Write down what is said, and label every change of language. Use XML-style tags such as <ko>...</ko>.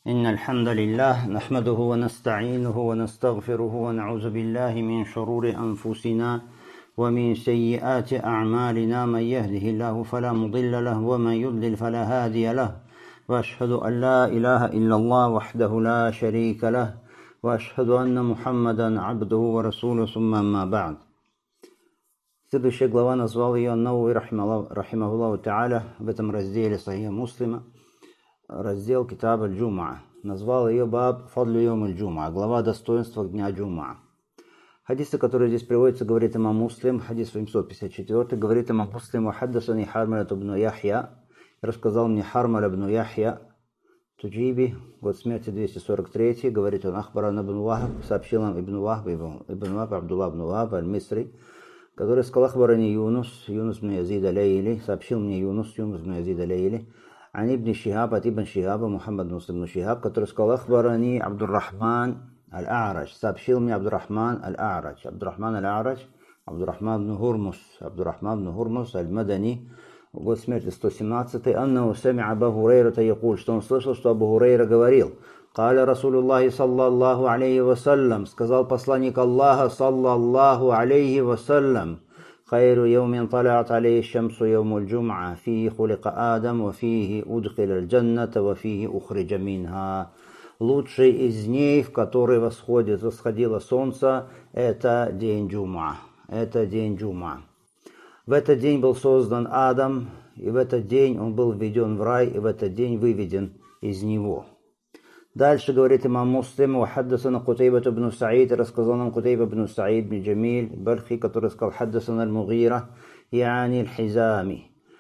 <ar>إن الحمد لله نحمده ونستعينه ونستغفره ونعوذ بالله من شرور أنفسنا ومن سيئات أعمالنا من يهده الله فلا مضل له ومن يضلل فلا هادي له وأشهد أن لا إله إلا الله وحده لا شريك له وأشهد أن محمدا عبده ورسوله ثم ما بعد.</ar> <ru>Следующая глава назвал ее Ан-Науви рахимахуллаху тааля в этом разделе Сахих Муслима. Раздел Китаб аль-Джума'а. Назвал ее Баб Фадлю Йом аль-Джума'а. Глава достоинства дня Джума'а. Хадис, который здесь приводится, говорит имам Муслим. Хадис 854. Говорит имам Муслим. Хаддасани Хармалят ибн Яхья. Рассказал мне Хармаль ибн Яхья. Туджиби. Год смерти 243. Говорит он. Ахбаран ибн Вахб. Сообщил нам ибн Вахб. Ибн Вахб. Абдулла ибн Вахб. Аль-Мисри. Который сказал Ахбарани Юнус. Юнус ибн Язид аль-Лейли. Сообщил мне Юнус. Юнус ибн Язид аль-Лейли.</ru> <ar>عن ابن شهاب ابن شهاب محمد بن مسلم بن شهاب</ar> <ru>который сказал</ru> <ar>أخبرني عبد الرحمن الأعرج سأبشيل من عبد الرحمن الأعرج عبد الرحمن الأعرج عبد الرحمن بن هرمس عبد الرحمن بن هرمس المدني</ar> <ru>год смерти 117</ru> <ar>أنه سمع أبو هريرة يقول</ar> <ru>что он слышал что</ru> <ar>أبو هريرة</ar> <ru>говорил</ru> <ar>قال رسول الله صلى الله عليه وسلم</ar> <ru>сказал посланник Аллаха</ru> <ar>صلى الله عليه وسلم خير يوم طلعت عليه الشمس يوم الجمعة فيه خلق آدم وفيه أدخل الجنة وفيه أخرج منها.</ar> <ru>Лучший из дней, в который восходило солнце, это день Джума. Это день Джума. В этот день был создан Адам, и в этот день он был введен в рай, и в этот день выведен из него. Дальше говорит имам Муслим,</ru> <ar>«Хаддасана Кутейба ибн Саид»,</ar> <ru>рассказал нам Кутейба ибн Саид, ибн Джамиль, Бальхи, который сказал,</ru> <ar>«Хаддасана Аль-Мугира», «Яани Аль-Хизами».</ar>